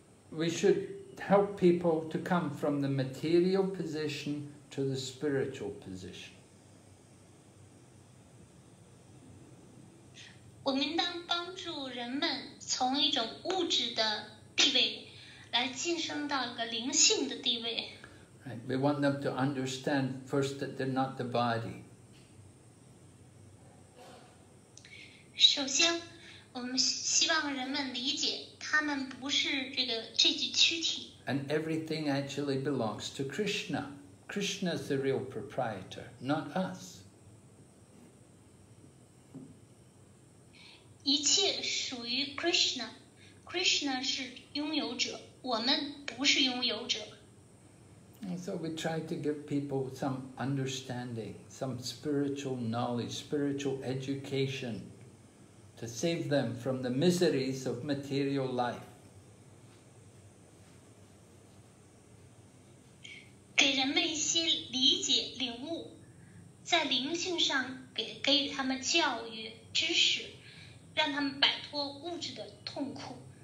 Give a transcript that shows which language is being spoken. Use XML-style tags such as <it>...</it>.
<en>We should help people to come from the material position to the spiritual position.</en> <zh>我们当帮助人们从一种物质的地位来晋升到一个灵性的地位。</zh> <en>Right. We want them to understand first that they're not the body.</en> <zh>首先，我们希望人们理解他们不是这个这具躯体。</zh> <en>And everything actually belongs to Krishna. Krishna is the real proprietor, not us.</en> <zh>一切属于 Krishna. Krishna 是拥有者，我们不是拥有者。</zh> <en>And so we try to give people some understanding, some spiritual knowledge, spiritual education to save them from the miseries of material life.</en> <zh>给人们一些理解、领悟，在灵性上给予他们教育、知识，让他们摆脱物质的痛苦。</zh>